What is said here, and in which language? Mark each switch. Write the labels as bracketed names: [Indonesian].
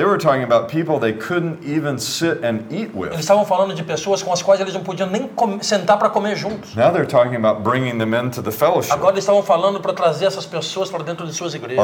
[English] They were talking about people they couldn't even sit and eat with. [Portuguese] Eles estavam falando de pessoas com as quais eles não podiam nem sentar para comer juntos. [English] Now they're talking about bringing them into the fellowship. [Portuguese] Agora eles estavam falando para trazer essas pessoas para dentro de suas igrejas.